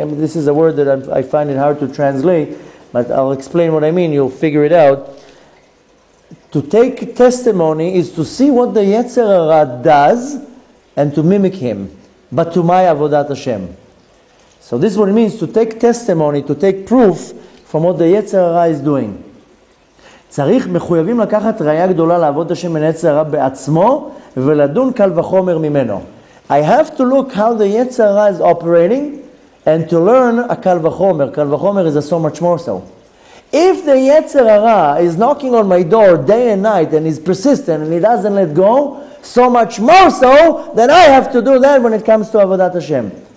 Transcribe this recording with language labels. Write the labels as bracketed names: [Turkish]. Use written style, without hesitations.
[English] I mean, this is a word that I find it hard to translate, but I'll explain what I mean. You'll figure it out. To take testimony is to see what the Yetzer Hara does and to mimic him. But to my Avodat Hashem. So this is what it means to take testimony, to take proof from what the Yetzer Hara is doing. [Hebrew] צריך מחויבים לקחת ראיה גדולה לעבוד השם מן היצר הרע בעצמו ולדון קל וחומר ממנו. [English] I have to look how the Yetzer Hara is operating and to learn a קל וחומר. קל וחומר is a so much more so. If the Yetzer Hara is knocking on my door day and night and is persistent and he doesn't let go, so much more so, then I have to do that when it comes to Avodat Hashem.